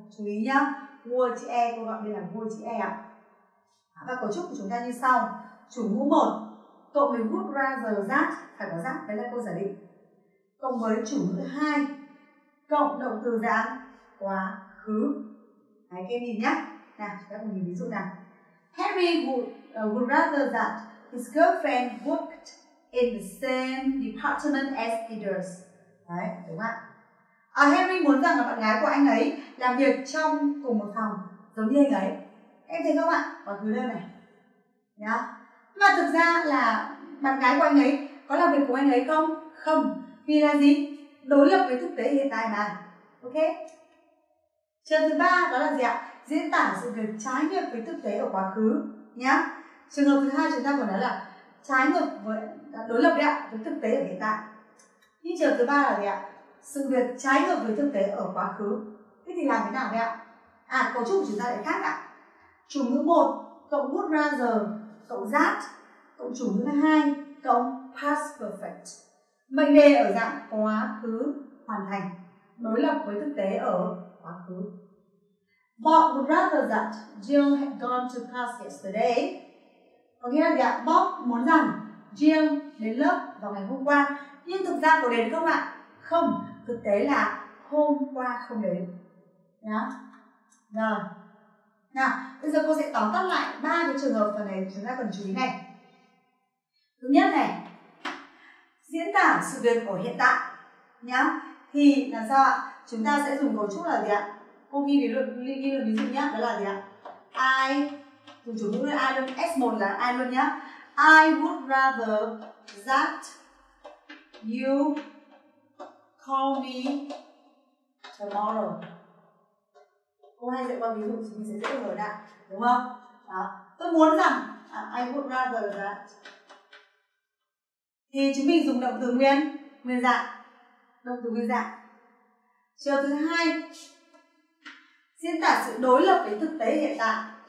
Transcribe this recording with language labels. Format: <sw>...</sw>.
<vi>Chú ý nhá, would chữ e, cô gọi đây là would chữ e ạ. Và cấu trúc của chúng ta như sau. Chủ ngữ 1, cộng với</vi> <en>would rather that,</en> <vi>phải có that, đấy là câu giả định. Cộng với chủ ngữ 2, cộng động từ dạng quá khứ. Hãy kem nhìn nhé. Nào, chúng ta cùng nhìn ví dụ nào.</vi> <en>Harry would rather that his girlfriend worked in the same department as he does.</en> <vi>Đấy, đúng không ạ? Harry muốn rằng là bạn gái của anh ấy làm việc trong cùng một phòng giống như anh ấy. Em thấy không ạ? Quá khứ đơn này nhá. Và thực ra là bạn gái của anh ấy có làm việc của anh ấy không? Không. Vì là gì? Đối lập với thực tế hiện tại mà. Ok. Trường thứ ba đó là gì ạ? Diễn tả sự việc trái ngược với thực tế ở quá khứ nhá. Trường hợp thứ hai chúng ta còn nói là trái ngược với, đối lập đấy ạ, với thực tế ở hiện tại. Nhưng trường thứ ba là gì ạ? Sự việc trái ngược với thực tế ở quá khứ. Thế thì làm thế nào đấy ạ? À, cấu trúc của chúng ta lại khác ạ. Chủ ngữ 1 cộng would rather cộng that cộng chủ ngữ 2 cộng past perfect. Mệnh đề ở dạng quá khứ hoàn thành, đối lập với thực tế ở quá khứ.</vi> <en>Bob would rather that Jill had gone to class yesterday.</en> <vi>Có nghĩa là gì ạ? Bob muốn rằng Jill đến lớp vào ngày hôm qua. Nhưng thực ra có đến không ạ? Không, thực tế là hôm qua không đến. Nhá. Rồi. Nào, bây giờ cô sẽ tóm tắt lại ba cái trường hợp phần này chúng ta cần chú ý này. Thứ nhất này, diễn tả sự việc ở hiện tại nhá. Thì là sao ạ? Chúng ta sẽ dùng cấu trúc là gì ạ? Cô ghi ví luận, ghi luận ví dụ nhá, đó là gì ạ? I, dùng chủ ngữ là I luôn, S1 là I luôn nhá.</vi> <en>I would rather that you call me tomorrow.</en> <vi>Cô hay dạy qua ví dụ thì mình sẽ dễ hiểu đấy, đúng không? Đó. Tôi muốn rằng</vi> <en>I would rather that.</en> <vi>Thì chúng mình dùng động từ nguyên dạng. Động từ nguyên dạng. Trường thứ hai, diễn tả sự đối lập với thực tế hiện tại.</vi>